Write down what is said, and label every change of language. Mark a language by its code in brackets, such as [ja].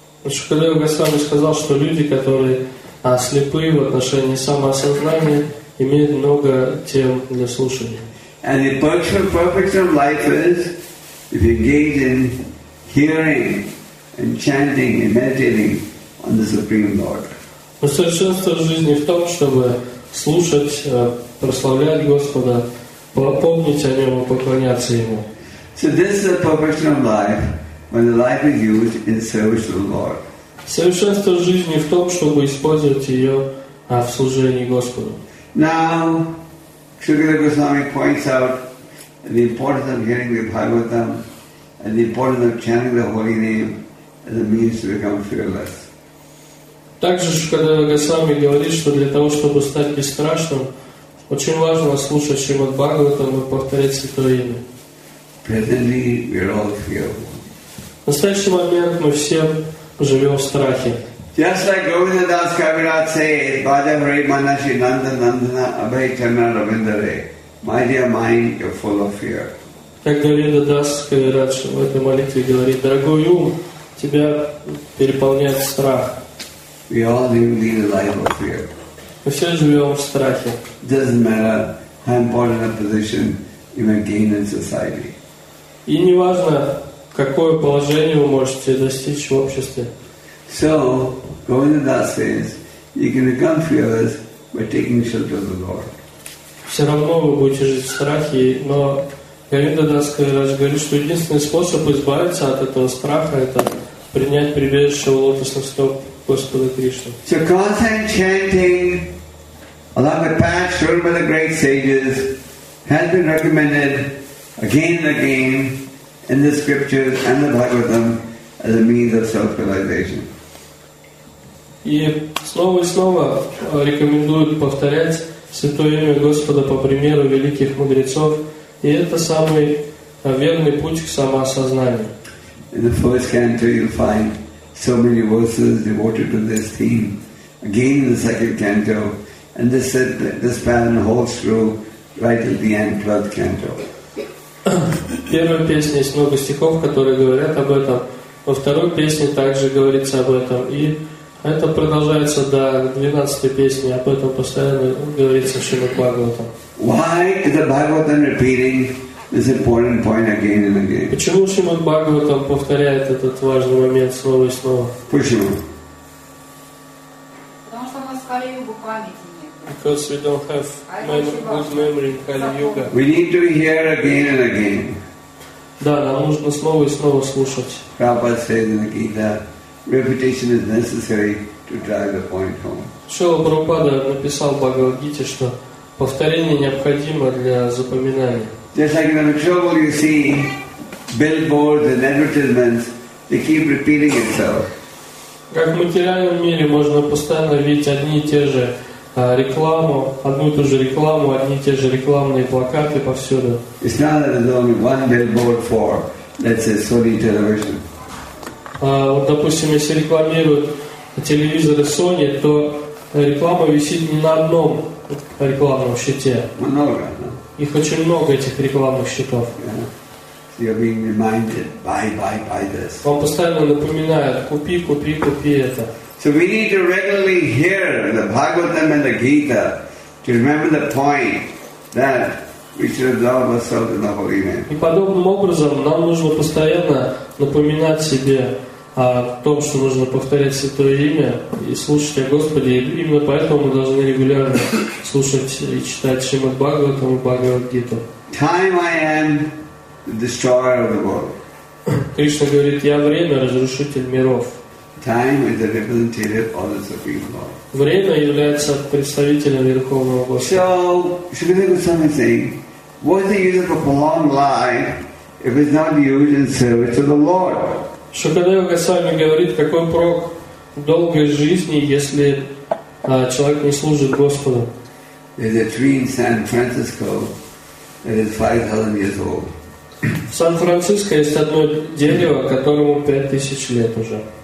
[ru] Шукадева Госвами сказал, что люди, которые а слепые в отношении самоосознания имеют много тем для слушания. [en] And the perfect purpose of life is if you engage in hearing and chanting and meditating on the Supreme Lord. [ru] Совершенство жизни в том, чтобы слушать, прославлять Господа, помнить о Нем и поклоняться Ему. [en] So this is the perfection of life when the life is used in service to the Lord. [ru] Совершенство жизни в том, чтобы использовать ее в служении Господу. [en] Now, Shukadeva Goswami points out the importance of hearing the Bhagavatam and the importance of chanting the holy name as a means to become fearless. [ru] Также Шукадева Госвами говорит, что для того, чтобы стать бесстрашным, Очень важно слушать Шримад-Бхагаватам и повторять Святое Имя. В настоящий момент мы все живем в страхе. [en] Just like Govindadas Kaviraj says, [sa] Bhajam Re Manashi Nanda Nandana Abhay Chana Ravindare. [en] My dear mind, you're full of fear. [ru] Как Говиндадас Кавирадж в этой молитве говорит, дорогой ум, тебя переполняет страх. [en] We all live a life of fear. [ru] Мы все живем в страхе. [en] Doesn't matter how important a position you may gain in society. [ru] И не важно, какое положение вы можете достичь в обществе. [en] So, Govindadas says, you can become fearless by taking shelter of the Lord. [ru] Все равно вы будете жить в страхе, но Говиндадас Кавирадж говорит, что единственный способ избавиться от этого страха — это принять прибежище у лотосных стоп Господа Кришны. [en] So constant chanting along the path shown by the great sages has been recommended again and again in the scriptures and the Bhagavatam as a means of self-realization. [ru] И снова и снова рекомендуют повторять Святое Имя Господа по примеру великих мудрецов. И это самый верный путь к самоосознанию. [en] In the first canto you'll find so many verses devoted to this theme. Again in the second canto, and this pattern holds true right at the end, 12th canto. [ru] В первой песне есть много стихов, которые говорят об этом. Во второй песне также говорится об этом. И это продолжается до 12-й песни. Об этом постоянно говорится в Шримад-Бхагаватам. [en] Why is the Bhagavatam repeating this important point again and again? [ru] Почему Шримад Бхагаватам повторяет этот важный момент снова и снова? Почему? Потому что у нас Кали-Юга памяти нет. [en] Because we don't have good memory in Kali-Yuga. We need to hear again and again. [ru] Да, нам нужно снова и снова слушать. [en] Prabhupada says in the Gita, repetition is necessary to drive the point home. [ru] Шрила Прабхупада написал в Бхагавад-гите, что повторение необходимо для запоминания. [en] Just like in the trouble you see billboards and advertisements, they keep repeating itself. [ru] Как в материальном мире можно постоянно видеть одни и те же рекламу, одну и ту же рекламу, одни и те же рекламные плакаты повсюду. [en] It's not that there's only one billboard for, let's say, Sony television. [ru] Вот, допустим, если рекламируют телевизоры Sony, то реклама висит не на одном рекламном щите. Много, no? Их очень много, этих рекламных щитов. [en] Yeah. You're being reminded, buy this. [ru] Вам постоянно напоминают, купи это. [en] So we need to regularly hear the Bhagavatam and the Gita to remember the point that we should absorb ourselves in the Holy Name. [ru] И подобным образом нам нужно постоянно напоминать себе о том, что нужно повторять Святое Имя и слушать о Господе. И именно поэтому мы должны регулярно слушать и читать Шримад-Бхагаватам и Бхагавад-гиту. [en] Time I am the destroyer of the world. [ru] Кришна говорит, я время, разрушитель миров. [en] Time is the representative of the Supreme Lord. [ru] Время является представителем Верховного Господа. [en] So, Shri Goswami saying, what is the use of a prolonged life if it's not used in service to the Lord? [ru] Шукадева Госвами говорит, какой прок долгой жизни, если человек не служит Господу. [en] There's a tree in San Francisco that is 5,000 years old. [ru] В Сан-Франциско есть одно дерево, которому 5,000 лет уже.